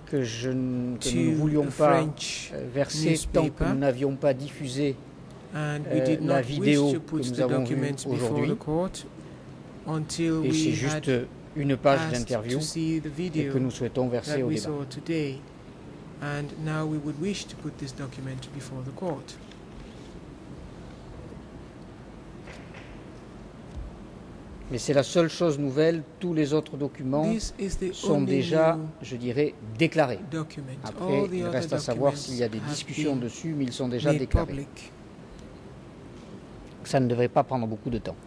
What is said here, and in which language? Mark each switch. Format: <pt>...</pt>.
<fr>que nous ne voulions pas verser tant que nous n'avions pas diffusé la vidéo que nous avons vue aujourd'hui. Et c'est juste une page d'interview et que nous souhaitons verser au débat.</fr> <en>And now we would wish to put this document before the court.</en> <fr>Mais c'est la seule chose nouvelle, tous les autres documents sont déjà, je dirais, déclarés. Document. Après, il reste à savoir s'il y a des discussions dessus, mais ils sont déjà déclarés. Public. Ça ne devrait pas prendre beaucoup de temps.</fr>